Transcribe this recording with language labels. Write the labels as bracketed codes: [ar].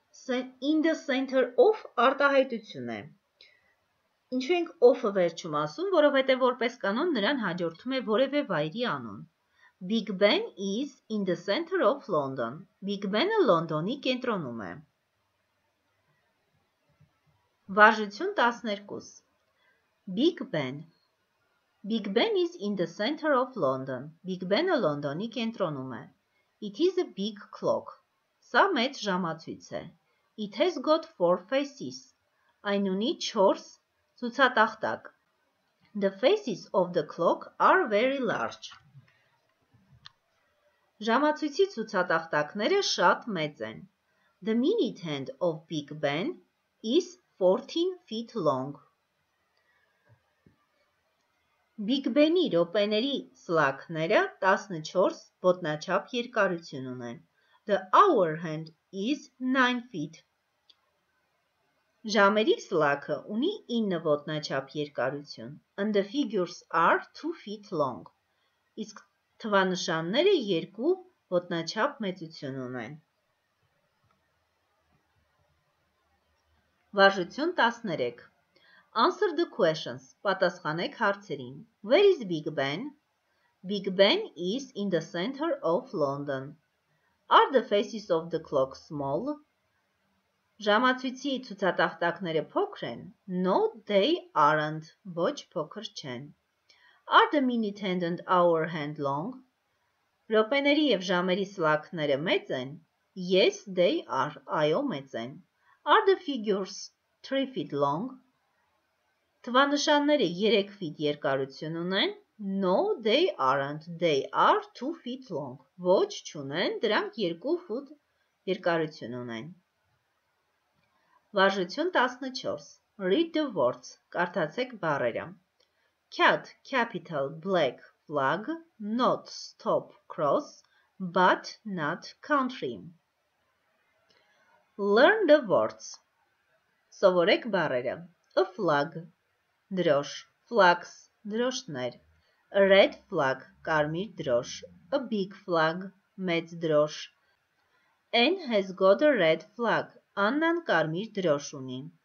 [en] in the center of [hy] արտահայտություն է։ Ինչու ենք off-ը վերջում ասում, որովհետև որպես կանոն նրան հաջորդում է որևէ վայրի անուն։ [en] Big Ben is in the center of London. [hy] Big Ben-ը Լոնդոնի կենտրոնում է։ Վարժություն 12-ս. [en] Big Ben. Big Ben is in the center of London. [hy] Big Ben-ը Լոնդոնի կենտրոնում է։ [en] It is a big clock. [hy] Սա մեծ ժամացույց է։ [en] It has got four faces. [hy] Այն ունի 4 ցուցատախտակ. [en] The faces of the clock are very large. [hy] Ժամացույցի ցուցատախտակները շատ մեծ են. [en] The minute hand of Big Ben is 14 feet long. [hy] Big Ben-ի ռոպեների սլակները 14 ոտնաչափ երկարություն ունեն. [en] The hour hand is 9 feet. [hy] Ժամերի սլակը ունի 9 ոտնաչափ երկարություն. [en] And the figures are 2 feet long. [hy] Իսկ թվանշանները 2 ոտնաչափ մեծություն ունեն։ Վարժություն 13. [en] Answer the questions. [hy] Պատասխանեք հարցերին. [en] Where is Big Ben? Big Ben is in the center of London. Are the faces of the clock small? [hy] Ժամացույցի ցուցատախտակները փոքր են։ [en] No, they aren't. [hy] Ոչ փոքր չեն։ [en] Are the minute hand and hour hand long? [hy] Ռոպեների եւ ժամերի սլակները մեծ են։ [en] Yes, they are. [hy] Այո, մեծ են։ [en] Are the figures 3 feet long? [hy] Թվանշանները 3 ֆիթ երկարություն ունեն։ [en] No, they aren't. They are 2 feet long. [hy] Ոչ, չունեն, դրանք 2 ֆուտ երկարություն ունեն։ Վարժություն 14. [en] Read the words. [hy] Կարդացեք բառերը. [en] Cat, capital, black, flag, not, stop, cross, but, not, country. Learn the words. [hy] Սովորեք բառերը. [en] a flag. Դրոշ, flags, դրոշներ. A red flag, [hy] կարմիր դրոշ. [en] A big flag, [hy] մեծ դրոշ. [en] Anne has got a red flag. [hy] Աննան կարմիր դրոշ ունի.